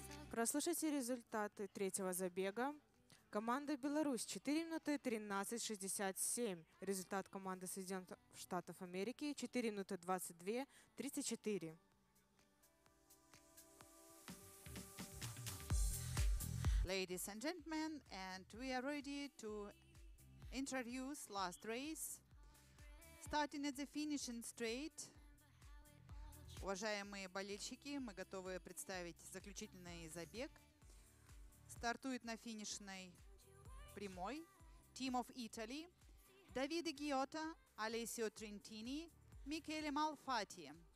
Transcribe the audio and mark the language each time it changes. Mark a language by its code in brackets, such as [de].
[ru] Прослушайте результаты третьего забега. Команда Беларусь 4:13.67. Результат команды Соединенных Штатов Америки 4:22.34. [en] Ladies and gentlemen, and we are ready to introduce last race. Starting at the finishing straight. [ru] Уважаемые болельщики, мы готовы представить заключительный забег. Стартует на финишной прямой [en] Team of Italy. [ru] Davide Ghiotto, Alessio Trentini, Michele Malfatti.